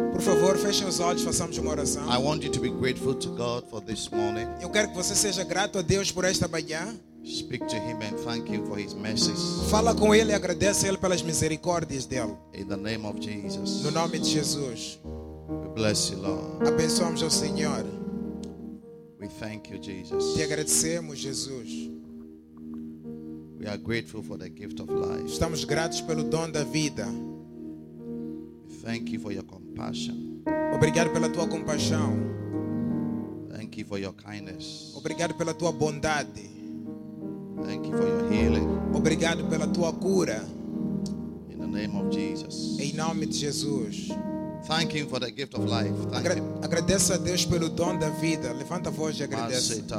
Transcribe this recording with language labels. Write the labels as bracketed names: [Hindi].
[Portuguese] Por favor, fechem os olhos, façamos uma oração. [English] I want you to be grateful to God for this morning. [Portuguese] Eu quero que você seja grato a Deus por esta manhã. [English] Speak to him and thank him for his mercies. [Portuguese] Fala com ele e agradece a ele pelas misericórdias dele. [English] In the name of Jesus. [Portuguese] No nome de Jesus. [English] We bless you, Lord. [Portuguese] Abençoamos ao Senhor. [English] We thank you, Jesus. [Portuguese] Te agradecemos, Jesus. [English] We are grateful for the gift of life. [Portuguese] Estamos gratos pelo dom da vida. [English] Thank you for your compassion. [Portuguese] Obrigado pela tua compaixão. [English] Thank you for your kindness. [Portuguese] Obrigado pela tua bondade. [English] Thank you for your healing. [Portuguese] Obrigado pela tua cura. [English] In the name of Jesus. [Portuguese] Em nome de Jesus. [English] Thank him for the gift of life. [Portuguese] Agradeça a Deus pelo dom da vida. Levanta a voz e agradeça.